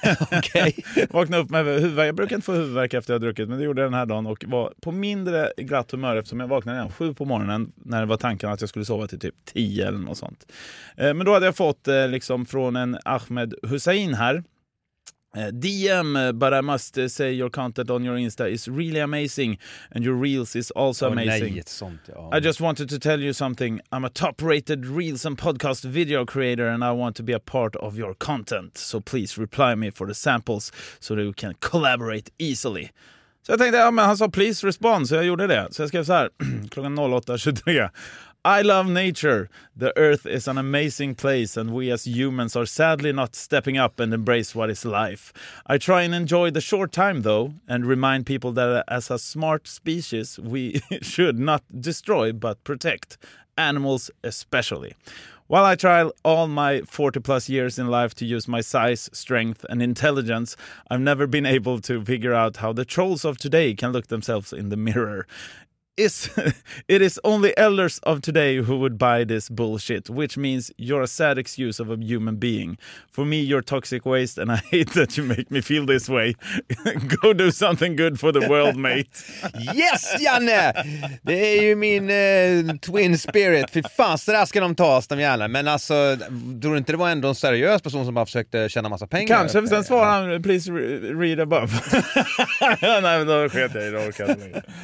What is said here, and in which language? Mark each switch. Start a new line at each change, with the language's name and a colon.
Swedish: Okej. Vakna upp med huvudvärk. Jag brukar inte få huvudvärk efter jag druckit, men det gjorde jag den här dagen och var på mindre glatt humör eftersom jag vaknade igen 7 på morgonen när det var tanken att jag skulle sova till typ 10 eller något sånt. Men då hade jag fått liksom från en Ahmed Hussein här.
English: DM, but I must say your content on your Insta is really amazing and your Reels is also amazing.
Swedish: Nej, it's sånt, ja.
English: I just wanted to tell you something. I'm a top rated Reels and podcast video creator and I want to be a part of your content. So please reply me for the samples so that we can collaborate easily.
Swedish: Så jag tänkte, ja, men han sa please respond, så jag gjorde det. Så jag skrev så här, klockan 08:23.
English: I love nature. The earth is an amazing place and we as humans are sadly not stepping up and embrace what is life. I try and enjoy the short time though and remind people that as a smart species we should not destroy but protect animals especially. While I try all my 40 plus years in life to use my size, strength and intelligence, I've never been able to figure out how the trolls of today can look themselves in the mirror. It is only elders of today who would buy this bullshit, which means you're a sad excuse of a human being. For me, you're toxic waste, and I hate that you make me feel this way. Go do something good for the world, mate. Yes, Janne!
Swedish: Det är ju min twin spirit. Fy fan, så där ska de ta oss, de jävla. Men alltså, tror du inte det var ändå en seriös person som bara försökte tjäna massa pengar? Kanske, för sen svarar han, please read above. Nej, men då sket jag i det.